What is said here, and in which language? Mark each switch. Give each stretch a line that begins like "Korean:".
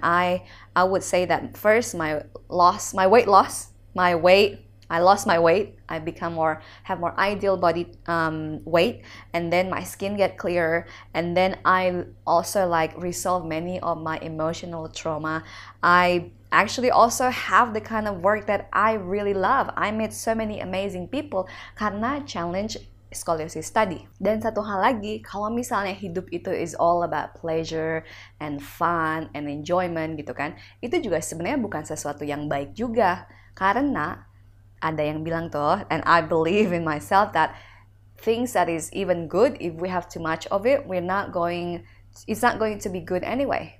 English: I would say that first my weight loss, I become more, have more ideal body weight, and then my skin get clearer, and then I also like resolve many of my emotional trauma. I actually also have the kind of work that I really love. I met so many amazing people karena challenge scoliosis study.
Indonesian: Dan satu hal lagi, kalau misalnya hidup itu
English: is all about pleasure and fun and enjoyment
Indonesian: gitu kan, itu juga sebenarnya bukan sesuatu yang baik juga. Karena ada yang bilang tuh,
English: and I believe in myself that things that is even good, if we have too much of it, it's not going to be good anyway.